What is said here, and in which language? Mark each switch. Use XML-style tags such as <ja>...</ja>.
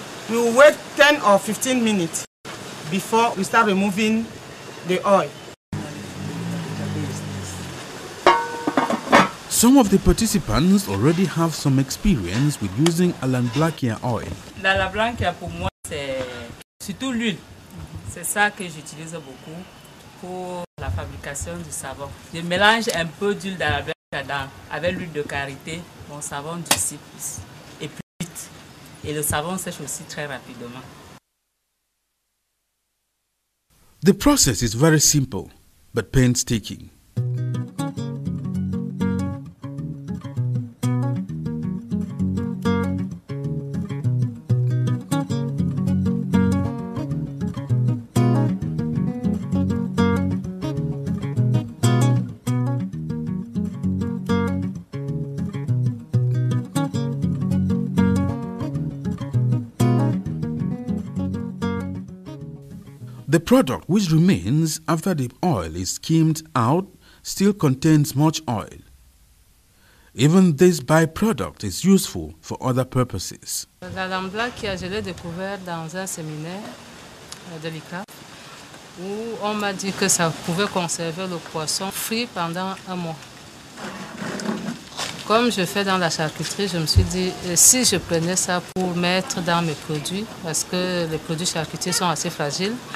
<en>We will wait 10 or 15 minutes before we start removing the oil. Some of the participants already have some experience with using Allanblackia oil.</en> <fr>L'Allanblackia pour moi c'est surtout l'huile. C'est ça que j'utilise beaucoup pour la fabrication du savon. Je mélange un peu d'huile d'Allanblackia dedans avec l'huile de karité, mon savon du cyprus. Et plus vite. Et le savon sèche aussi très rapidement.</fr> <en>The process is very simple, but painstaking. The product which remains after the oil is skimmed out still contains much oil. Even this byproduct is useful for other purposes.</en> <fr>L'Allanblackia, je l'ai découvert dans un séminaire de l'ICRAF où on m'a dit que ça pouvait conserver le poisson frit pendant un mois. Comme je fais dans la charcuterie, je me suis dit si je prenais ça pour mettre dans mes produits, parce que les produits charcutiers sont assez fragiles.</fr>